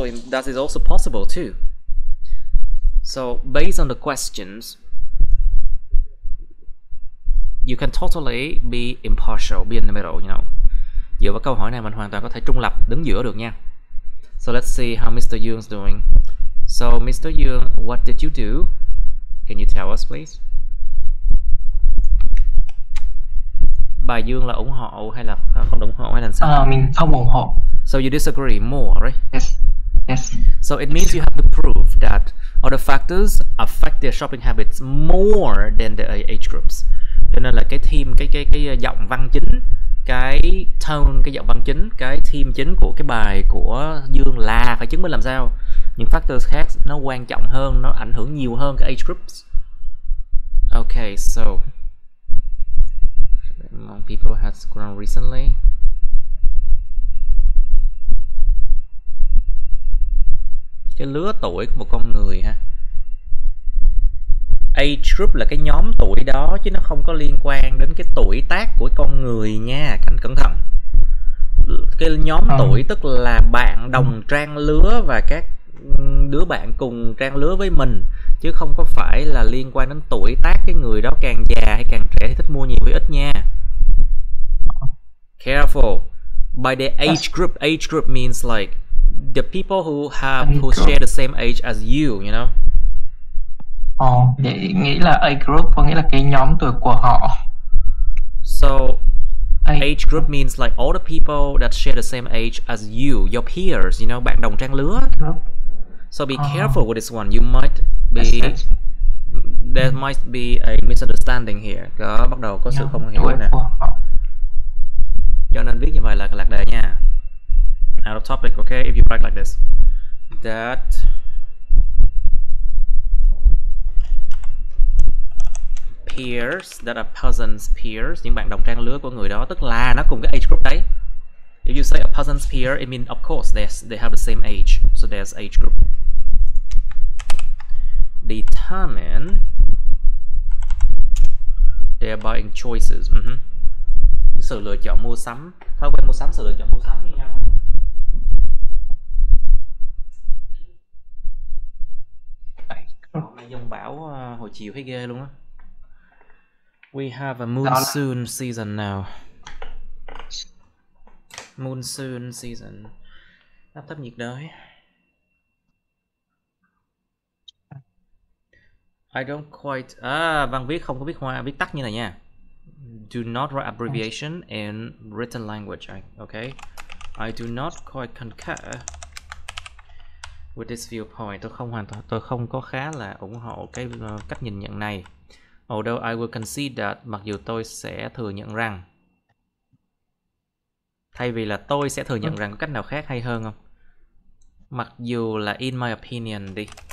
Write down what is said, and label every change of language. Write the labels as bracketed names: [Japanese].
[English] That is also possible too. So based on the questions, you can totally be impartial, be in the middle, you know. [Vietnamese] Dựa vào câu hỏi này mình hoàn toàn có thể trung lập, đứng giữa được nha. [English] So let's see how Mr. Yoon's doing. So Mr. Yoon, what did you do? Can you tell us please? [Vietnamese] Bài Dương là ủng hộ hay là không ủng hộ hay là sao? Mình không ủng hộ. [English] So you disagree more, right? Yes. Yes. So it means you have to prove that other factors affect their shopping habits more than the age groups. [Vietnamese] Cho nên là cái theme, cái giọng văn chính, cái tone, cái giọng văn chính, cái theme chính của cái bài của Dương là phải chứng minh làm sao những factors khác nó quan trọng hơn, nó ảnh hưởng nhiều hơn cái [English] age groups. Okay, so among people has grown recently. [Vietnamese] Cái lứa tuổi của một con người ha. Age group là cái nhóm tuổi đó, chứ nó không có liên quan đến cái tuổi tác của con người nha, anh cẩn thận. Cái nhóm tuổi tức là bạn đồng trang lứa và các đứa bạn cùng trang lứa với mình, chứ không có phải là liên quan đến tuổi tác. Cái người đó càng già hay càng trẻ thì thích mua nhiều hay ít nha. [English] Careful. By the age group means like the people who share the same age as you know. [Vietnamese] Để nghĩ là A group có nghĩa là cái nhóm tuổi của họ. [English] So age group means like all the people that share the same age as you, your peers, you know, [Vietnamese] bạn đồng trang lứa. [English] So be careful with this one. You might be there might be a misunderstanding here. [Vietnamese] Có bắt đầu có sự không hiểu nè. Cho nên viết như vậy là lạc đề nha. [English] Out of topic, okay? If you write like this, that peers, that a person's peers, [Vietnamese] những bạn đồng trang lứa của người đó, [English] tức là nó cùng cái age group đấy. If you say a person's peer, it means of course they have the same age, so there's age group. Determine their buying choices. Uh-huh. [Vietnamese] Sự lựa chọn mua sắm, thói quen mua sắm, sự lựa chọn mua sắm như nhau. Dông bão hồi chiều thấy ghê luôn á. [English] We have a monsoon season now. Monsoon season. [Vietnamese] Áp thấp nhiệt đới. [English] I don't quite. [Vietnamese] Văn viết không có viết hoa, viết tắt như này nha. [English] Do not write abbreviation in written language. Okay. I do not quite concur with this viewpoint. [Vietnamese] Tôi không hoàn toàn, tôi không có khá là ủng hộ cái cách nhìn nhận này. [English] Although I will concede that, [Vietnamese] mặc dù tôi sẽ thừa nhận rằng, thay vì là tôi sẽ thừa nhận rằng có cách nào khác hay hơn không? Mặc dù là [English] in my opinion [Vietnamese] đi.